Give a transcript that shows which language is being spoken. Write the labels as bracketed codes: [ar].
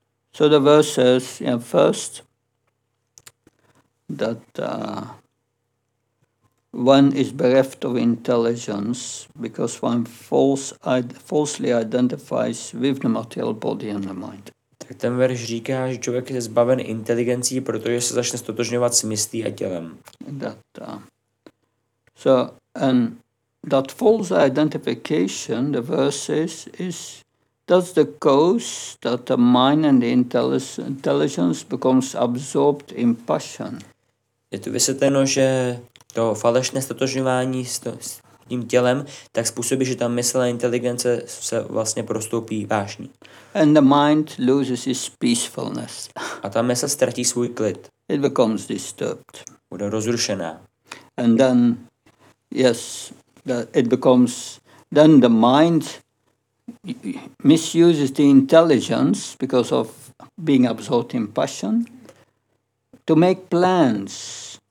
[en] So the verse says, yeah, first, that one is bereft of intelligence because one falsely identifies with the material body and the mind. [cs] Tak ten verš říká, že člověk je zbaven inteligencí, protože se začne stotožňovat s myslí a tělem. [en] That, so and that false identification, the verses is that's the cause that the mind and the intelligence becomes absorbed in passion. [cs] Je to vysvětleno, že to falešné stotožňování s tím tělem, tak způsobí, že ta mysl a inteligence se vlastně prostoupí vášní. [en] And the mind loses its peacefulness. [cs] A ta mysl ztratí svůj klid. [en] It becomes disturbed. [cs] Bude rozrušená. [en] And then, yes, it becomes, then the mind misuses the intelligence because of being absorbed in passion to make plans